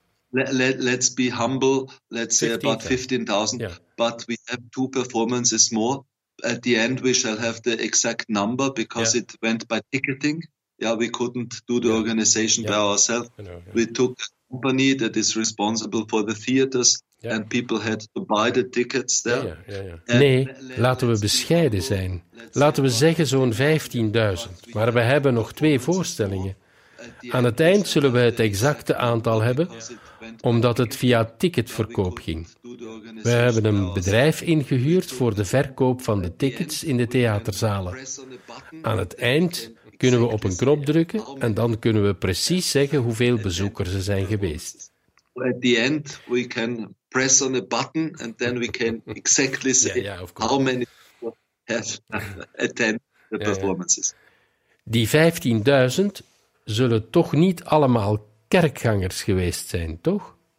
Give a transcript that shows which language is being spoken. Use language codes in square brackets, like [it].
[en] Let's be humble, let's say about 15.000, but we have two performances more. At the end we shall have the exact number because it went by ticketing. Yeah, we couldn't do the organization by ourselves. We took a company that is responsible for the theaters. And people had to buy the tickets there. [nl] Nee, laten we bescheiden zijn. Laten we zeggen zo'n 15.000. Maar we hebben nog twee voorstellingen. Aan het eind zullen we het exacte aantal hebben, omdat het via ticketverkoop ging. We hebben een bedrijf ingehuurd voor de verkoop van de tickets in de theaterzalen. Aan het eind kunnen we op een knop drukken en dan kunnen we precies zeggen hoeveel bezoekers er zijn geweest. [en] At the end we can press on a button and then we can exactly say how many have attended the performances. [nl] Die 15.000 zullen toch niet allemaal kerkgangers geweest zijn, toch?